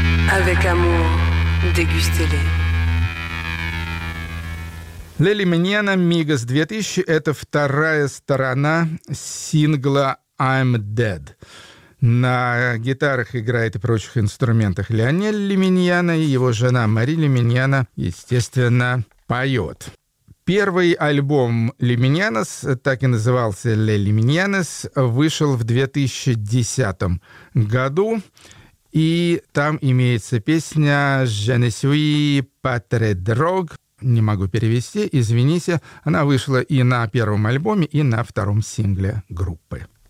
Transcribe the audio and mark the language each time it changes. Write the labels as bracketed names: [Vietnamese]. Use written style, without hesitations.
[French] Avec amour, dégustez-les. [Russian] «Le Lyminiana» «Migos 2000» — это вторая сторона сингла «I'm Dead». На гитарах играет и прочих инструментах Леонель Лиминьяна, и его жена Мари Лиминьяна, естественно, поет. Первый альбом «Lyminianas», так и назывался «Le Lyminianas», вышел в 2010 году. И там имеется песня «Je ne suis pas très drôle». Не могу перевести, извините. Она вышла и на первом альбоме, и на втором сингле группы.